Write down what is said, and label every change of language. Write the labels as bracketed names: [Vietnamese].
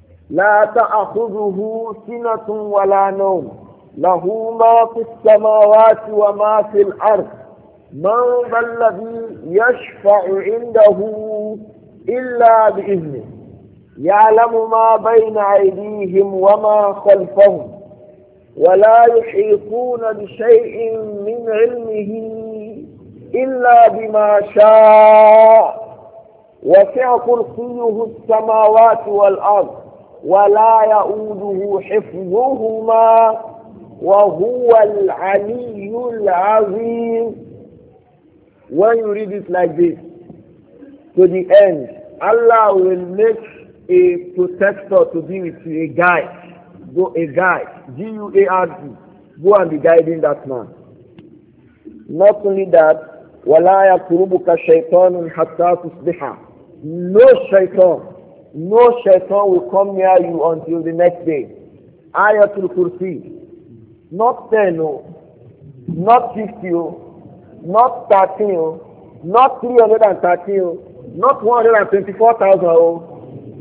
[Arabic] لَا تَأَخُذُهُ سِنَةٌ وَلَا نَوْمٌ لَهُ مَا فِي السَّمَاوَاتِ وَمَا فِي الْأَرْضِ مَنْ ذَا الَّذِي يَشْفَعُ عِنْدَهُ إِلَّا بِإِذْنِهِ يَعْلَمُ مَا بَيْنَ أَيْدِيهِمْ وَمَا خَلْفَهُمْ وَلَا يُحِيطُونَ بِشَيْءٍ مِنْ عِلْمِهِ إِلَّا بِمَا شَاءَ وَسِعَ كُرْسِيُّهُ السَّمَاوَاتِ وَالْأَرْضِ ولا يؤوده حفظهما وهو العلي العظيم. [English] When you read it like this, to the end, Allah will make a protector to be with you, a guide. Go, a guide. G-U-A-R-D. Go and be guiding that man. Not only that, [Arabic] وَلَا يَقْرُبُكَ شَيْطَانٌ حَتَّى تُصْبِحَ. [English] No shaitan. No shaitan will come near you until the next day. Ayatul Kursi. Not 10, no. Not 50, no. Not 13, no. Not 313, no. Not 124,000, no.